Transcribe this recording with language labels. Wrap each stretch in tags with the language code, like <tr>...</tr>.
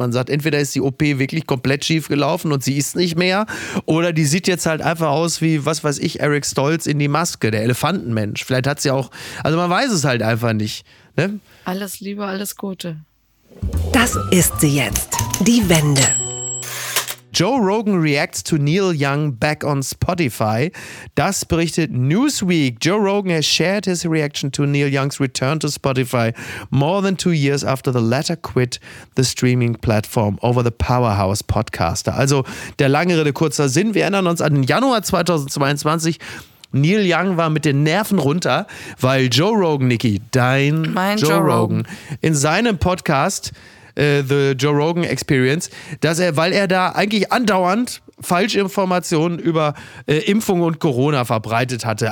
<de>Man sagt, entweder ist die OP wirklich komplett schief gelaufen und sie ist nicht mehr, oder die sieht jetzt halt einfach aus wie, was weiß ich, Eric Stolz in die Maske, der Elefantenmensch. Vielleicht hat sie auch, also man weiß es halt einfach nicht. Ne? Alles Liebe, alles Gute. Das ist sie jetzt, die Wende.</de> <en>Joe Rogan reacts to Neil Young back on Spotify.</en> <de>Das berichtet Newsweek.</de> <en>Joe Rogan has shared his reaction to Neil Young's return to Spotify more than 2 years after the latter quit the streaming platform over the powerhouse podcaster.</en> <de>Also der lange Rede kurzer Sinn. Wir erinnern uns an den Januar 2022. Neil Young war mit den Nerven runter, weil Joe Rogan, Niki, Joe Rogan, in seinem Podcast The Joe Rogan Experience, dass er, weil er da eigentlich andauernd Falschinformationen über Impfung und Corona verbreitet hatte.</de>